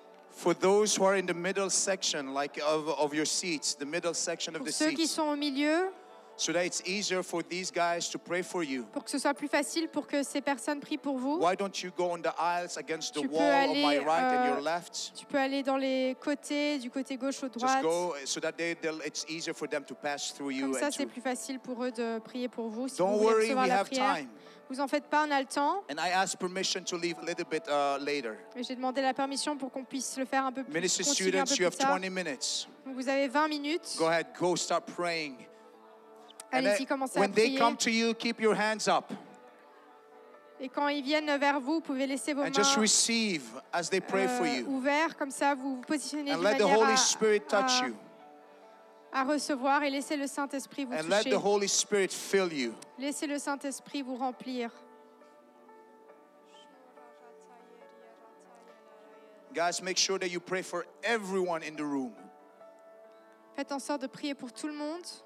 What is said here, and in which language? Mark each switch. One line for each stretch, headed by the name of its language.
English: For those who are in the middle section, like of your seats, the middle section of the seats.
French: Pour ceux qui sont au milieu.
English: So that it's easier for these guys to pray for you.
French: Pour que ce soit plus facile pour que ces personnes prient pour vous.
English: Why don't you go on the aisles against the wall on my right and your left?
French: Tu peux aller dans les côtés, du côté gauche au droit.
English: Just go so that it's easier for them to pass through you.
French: Comme ça, c'est plus facile pour eux de prier pour vous.
English: Don't worry, we have time.
French: Vous en faites pas, on a le temps.
English: And I asked permission to leave a little bit later.
French: Et j'ai demandé la permission pour qu'on puisse le faire un peu plus tard.
English: Ministry students, you have 20 minutes.
French: Vous avez 20 minutes.
English: Go ahead, go start praying.
French: Allez-y, commencez à prier.
English: When they come to you, keep your hands up.
French: Et quand ils viennent vers vous, vous pouvez laisser vos mains ouvertes, comme ça vous vous positionnez de manière à recevoir et laissez le Saint-Esprit vous toucher. Laissez le Saint-Esprit vous remplir.
English: Guys, make sure that you pray for everyone in the room.
French: Faites en sorte de prier pour tout le monde.